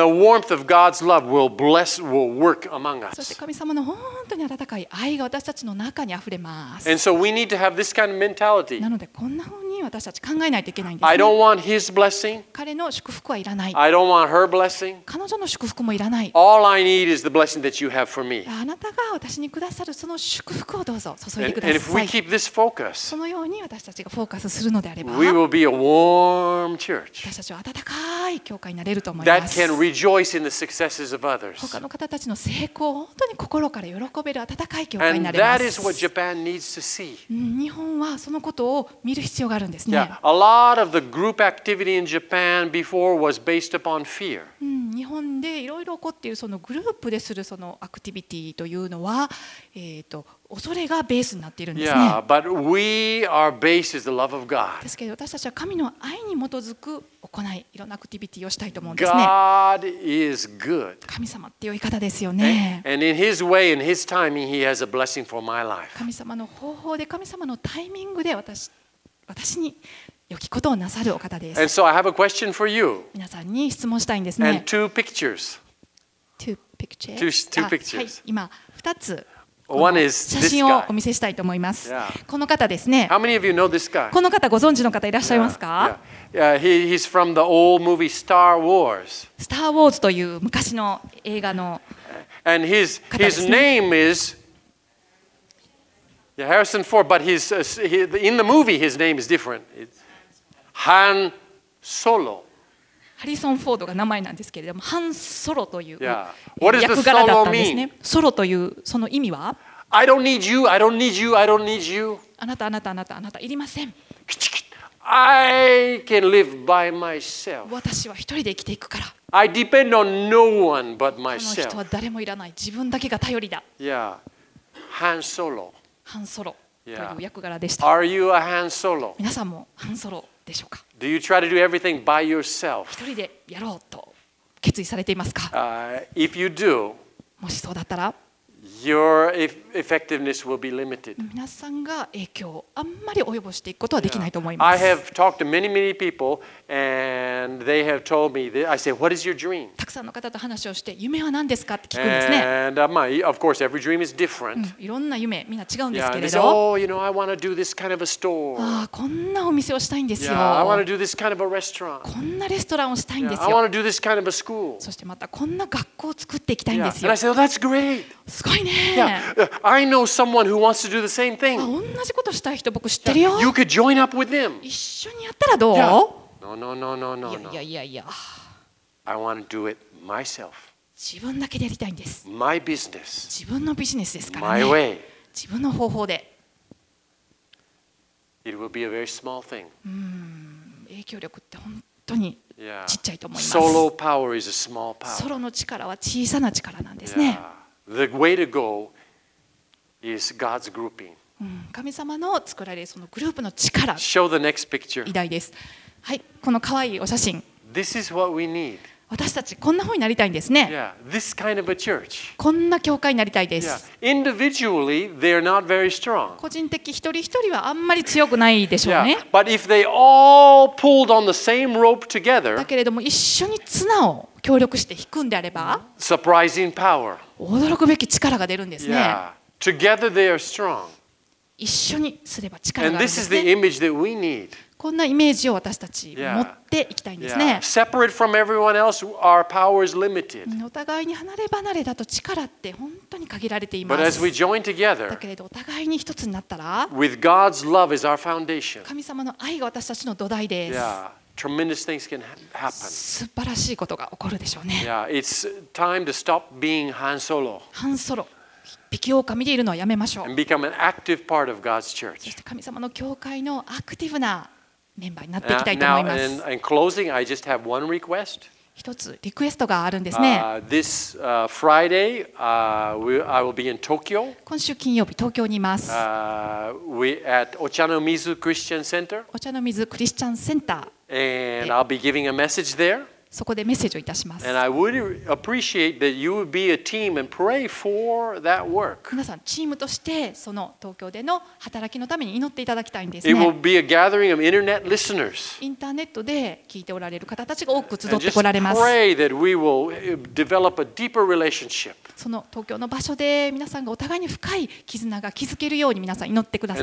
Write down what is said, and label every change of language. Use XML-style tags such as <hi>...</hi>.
<ja>そして神様の本当に温かい愛が私たちの中にあふれます。なのでこんな風に私たち考えないといけないんですね。彼の祝福はいらない。彼女の祝福もいらない。</ja> <en>All I need is the blessing that you have for me.</en> <ja>あなたが私にくださるその祝福をどうぞ注いでください。</ja> <en>And if we keep this focus,</en> <ja>そのように私たちがフォーカスするのであれば、</ja> <en>we will be a warm church.</en> <ja>私たちは温かい教会になれると思います。</ja> <en>That can rejoice in the successes of others.</en> <ja>他の方たちの成功を本当に心から喜べる温かい教会になれます。</ja> <en>And that is what Japan needs to see.</en> <ja>日本はそのことを見る必要があるんですね。</ja> <en>Yeah, a lot of the group activity in Japan before was based upon fear.</en> <ja>日本でいろいろ起こっているそのグループでするそのアクティビティというのは、恐れがベースになっているんですね。</ja> <en>Yeah, but we, our base is the love of God.</en> <ja>ですけど私たちは神の愛に基づく行い、いろんなアクティビティをしたいと思うんですね。</ja> <en>God is good.</en> <ja>神様って良い方ですよね。</ja> <en>And in His way, in His timing, He has a blessing for my life.</en> <ja>神様の方法で、神様のタイミングで私に良きことをなさるお方です。</ja> <en>And so I have a question for you.</en> <ja>皆さんに質問したいんですね。</ja> <en>And two pictures. Two pictures.</en> <ja>はい、今二つ。</ja> <en>One is this guy.</en> <ja>写真をお見せしたいと思います。</ja> <en>Yeah.</en> <ja>この方ですね。</ja> <en>How many of you know this guy?</en> <ja>この方ご存知の方いらっしゃいますか？</ja> <en>Yeah. Yeah. Yeah. He's from the old movie Star Wars.</en> <ja>Star Wars という昔の映画の方ですね。</ja> <en>And his name is Yeah, Harrison Ford, but his in the movie his name is different. It's Han Solo.</en> <ja>ハリソン・フォードが名前なんですけれども、ハン・ソロという、</ja> <en>yeah. What is the</en> <ja>役柄だったんですね。</ja> <en>Solo mean?</en> <ja>ソロというその意味は？</ja> <en>I don't need you. I don't need you. I don't need you.</en> <ja>あなたあなたあなたあなたいりません。</ja> <en>I can live by myself.</en> <ja>私は一人で生きていくから。</ja> <en>I depend on no one but myself.</en> <ja>この人は誰もいらない。自分だけが頼りだ。</ja> <en>Yeah, Han Solo.</en> <ja>ハンソロという役柄でした。</ja> <en>Yeah. Are you a Han Solo?</en> <ja>皆さんもハンソロでしょうか。</ja> <en>Do you try to do everything by yourself?</en> <ja>一人でやろうと決意されていますか。</ja> <en>If you do,</en> <ja>もしそうだったら、</ja> <en>your effectiveness will be limited.</en> <ja>皆さんが影響をあんまり及ぼしていくことはできないと思います。</ja> <en>Yeah. I have talked to many, many people, and they have told me. I say, what is your dream?</en> <ja>たくさんの方と話をして、夢は何ですかって聞くんですね。</ja> <en>And of course, every dream is different.</en> <ja>いろんな夢、みんな違うんですけれど。</ja> <en>Yeah, they say, oh, you know, I want to do this kind of a store.</en> <ja>ああ、こんなお店をしたいんですよ。</ja> <en>Yeah, I want to do this kind of a restaurant.</en> <ja>こんなレストランをしたいんですよ。</ja> <en>I want to do this kind of a school.</en> <ja>そしてまたこんな学校を作っていきたいんですよ。</ja> <en>Yeah. And I say, oh, that's great.</en> <ja>すごいね。</ja> <en>Yeah. I know someone who wants to do the same thing.</en> <ja>同じことしたい人僕知ってるよ。</ja> <en>You could join up with them.</en> <ja>一緒にやったらどう？</ja> <en>No.</en> <ja>いやいやいや。</ja> <en>I want to do it myself.</en> <ja>自分だけでやりたいんです。</ja> <en>My business.</en> <ja>自分のビジネスですから</ja> <en>ね。My way.</en> <ja>自分の方法で。</ja> <en>It will be a very small thing.</en> <ja>影響力って本当にちっちゃいと思います。</ja> <en>Solo power is a small power.</en> <ja>ソロの力は小さな力なんですね。</ja> <en>The way to go is God's grouping.</en> <ja>神様の作られるそのグループの力。</ja> <en>Show the next picture.</en> <ja>偉大です。はい、この可愛いお写真。</ja> <en>This is what we need.</en> <ja>私たちこんな風になりたいんですね。</ja> <en>Yeah, this kind of a church.</en> <ja>こんな教会になりたいです。</ja> <en>Yeah. Individually, they're not very strong.</en> <ja>個人的一人一人はあんまり強くないでしょうね。</ja> <en>Yeah. But if they all pulled on the same rope together,</en> <ja>だけれども一緒に綱を協力して引くんであれば、</ja> <en>Surprising power.</en> <ja>驚くべき力が出るんですね。</ja> <en>Yeah. Together, they are strong.</en> <ja>一緒にすれば力があるんですね。</ja> <en>And this is the image that we need.</en> <ja>こんなイメージを私たち持っていきたいんですね。</ja> <en>Separate from everyone else, our power is limited.</en> <ja>お互いに離れ離れだと力って本当に限られています。</ja> <en>But as we join together,</en> <ja>だけれどお互いに一つになったら、</ja> <en>with God's love is our foundation.</en> <ja>神様の愛が私たちの土台です。</ja> <en>Tremendous things can happen.</en> <ja>素晴らしいことが起こるでしょうね。</ja> <en>Yeah, it's time to stop being Han Solo. Han Solo.</en> <ja>引き狼でいるのはやめましょう。</ja> <en>And become an active part of God's church.</en> <ja>そして神様の教会のアクティブなメンバーになっていきたいと思います。</ja> <en>Now, in closing, I just have one request.</en> <ja>一つリクエストがあるんですね。</ja> <en>This Friday, I will be in Tokyo.</en> <ja>今週金曜日、東京にいます。</ja> <en>At Ochanomizu Christian Center. Ochanomizu Christian Center. And I'll be giving a message there.</en> <ja>そこでメッセージをいたします。</ja> <en>And I would appreciate that you would be a team and pray for that work.</en> <ja>皆さんチームとしてその東京での働きのために祈っていただきたいんですね。</ja> <en>It will be a gathering of internet listeners.</en> <ja>インターネットで聞いておられる方たちが多く集ってこられます。</ja> <en>And just pray that we will develop a deeper relationship.</en> <ja>その東京の場所で皆さんがお互いに深い絆が築けるように皆さん祈ってください。</ja>